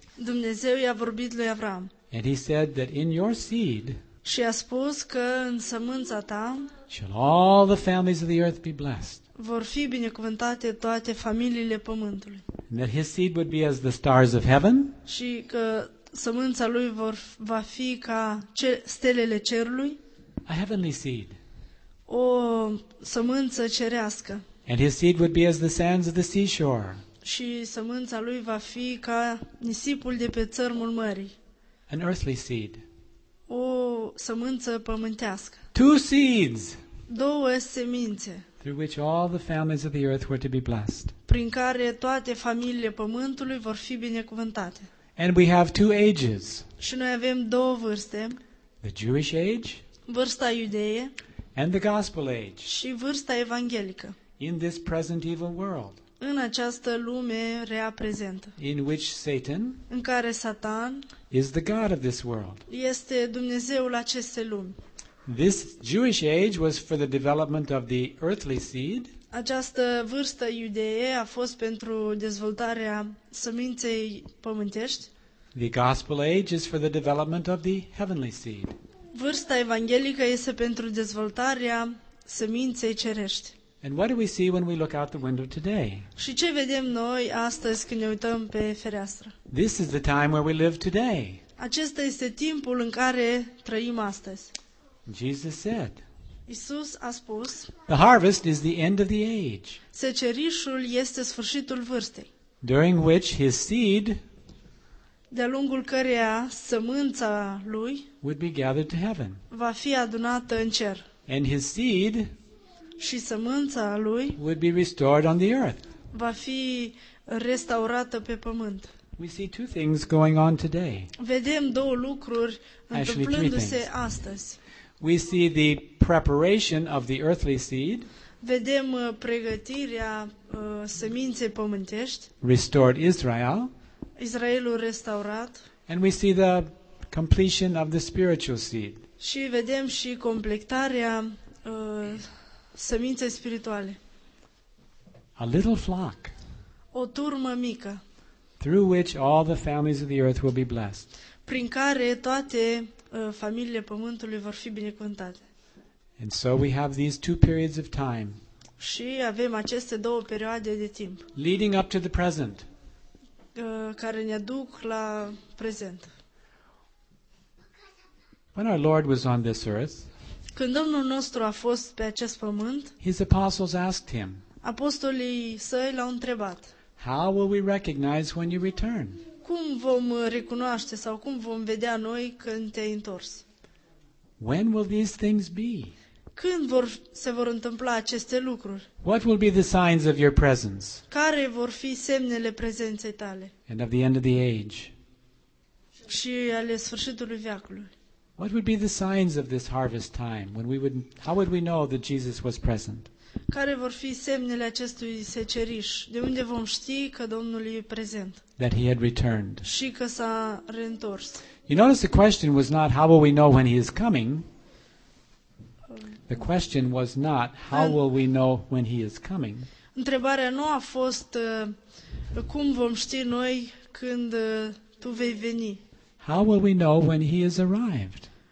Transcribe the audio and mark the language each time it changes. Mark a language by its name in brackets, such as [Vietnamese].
[Romanian] Dumnezeu i-a vorbit lui Avram. [English] And he said that in your seed, [Romanian] și a spus că în sămânța ta, [English] shall all the families of the earth be blessed. [Romanian] Vor fi binecuvântate toate familiile pământului. [English] And that his seed would be as the stars of heaven. [Romanian] Și că sămânța lui va fi ca stelele cerului. [English] A heavenly seed. [Romanian] O sămânță cerească. [English] And his seed would be as the sands of the seashore. [Romanian] Și sămânța lui va fi ca nisipul de pe țărmul mării. [English] An earthly seed. [Romanian] O sămânță pământească. [English] Two seeds. [Romanian] Două semințe. [English] Through which all the families of the earth were to be blessed. [Romanian] Prin care toate familiile pământului vor fi binecuvântate. [English] And we have two ages. [Romanian] Și noi avem două vârste. [English] The Jewish age. [Romanian] Vârsta iudeie. [English] And the gospel age. [Romanian] Și vârsta evanghelică. [English] In this present evil world. [Romanian] În această lume rea prezentă. [English] In which Satan. [Romanian] În care Satan. [English] Is the god of this world. [Romanian] Este Dumnezeul acestei lumi. [English] This Jewish age was for the development of the earthly seed. [Romanian] Această vârstă iudeie a fost pentru dezvoltarea seminței pământești. [English] The gospel age is for the development of the heavenly seed. [Romanian] Vârsta evanghelică este pentru dezvoltarea seminței cerești. [English] And what do we see when we look out the window today? [Romanian] Și ce vedem noi astăzi când ne uităm pe fereastră? [English] This is the time where we live today. [Romanian] Acesta este timpul în care trăim astăzi. [English] Jesus said. [Romanian] Isus a spus. [English] The harvest is the end of the age. [Romanian] Secerișul este sfârșitul vârstei. [English] During which his seed, [Romanian] de-a lungul căreia sămânța lui, [English] would be gathered to heaven. [Romanian] Va fi adunată în cer. [English] And his seed, [Romanian] și sămânța lui, [English] would be restored on the earth. [Romanian] Va fi restaurată pe pământ. [English] We see two things going on today. [Romanian] Vedem două lucruri întâmplându-se astăzi. [English] We see the preparation of the earthly seed. [Romanian] Vedem pregătirea seminței pământești. [English] Restored Israel. [Romanian] Israelul restaurat. [English] And we see the completion of the spiritual seed. [Romanian] Și vedem și completarea seminței spirituale. [English] A little flock. [Romanian] O turmă mică. [English] Through which all the families of the earth will be blessed. [Romanian] Prin care toate familiile pământului vor fi binecuvântate. [English] And so we have these two periods of time. [Romanian] Și avem aceste două perioade de timp. [English] Leading up to the present. [Romanian] Care ne duc la prezent. [English] When our Lord was on this earth, [Romanian] când Domnul nostru a fost pe acest pământ, [English] his apostles asked him. [Romanian] Apostolii săi l-au întrebat. [English] How will we recognize when you return? [Romanian] Cum vom recunoaște sau cum vom vedea noi când te-ai întors? [English] When will these things be? [Romanian] Când se vor întâmpla aceste lucruri? [English] What will be the signs of your presence? [Romanian] Care vor fi semnele prezenței tale? [English] And of the end of the age. [Romanian] Și ale sfârșitului veacului. [English] What would be the signs of this harvest time when how would we know that Jesus was present? [Romanian] Care vor fi semnele acestui seceriș? De unde vom ști că Domnul e prezent? [English] That he had returned. [Romanian] Și că s-a reîntors. [English] You notice the question was not how will we know when he is coming. The question was not how will we know when he is coming. [Romanian] Întrebarea nu a fost cum vom ști noi când tu vei veni. [English] How will we know when he has arrived?